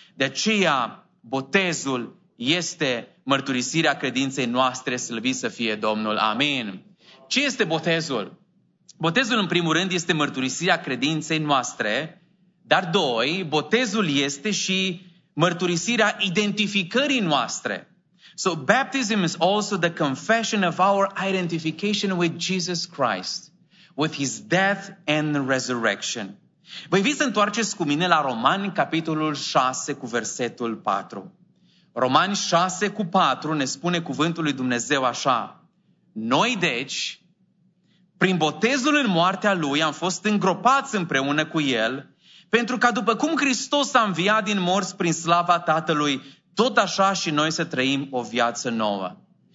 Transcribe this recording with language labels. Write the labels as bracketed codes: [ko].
[ro] De aceea, botezul este mărturisirea credinței noastre, slăvit să fie Domnul. Amin. Ce este botezul? Botezul, în primul rând, este mărturisirea credinței noastre, dar doi, botezul este și mărturisirea identificării noastre. [en] So, baptism is also the confession of our identification with Jesus Christ, with His death and resurrection. [ro] Voi vi să întoarceți cu mine la Romani, capitolul 6, cu versetul 4. Romani 6 cu 4 ne spune cuvântul lui Dumnezeu așa: noi deci, prin botezul în moartea Lui, am fost îngropați împreună cu El, pentru ca după cum Hristos a înviat din morți prin slava Tatălui, tot așa și noi să trăim o viață nouă.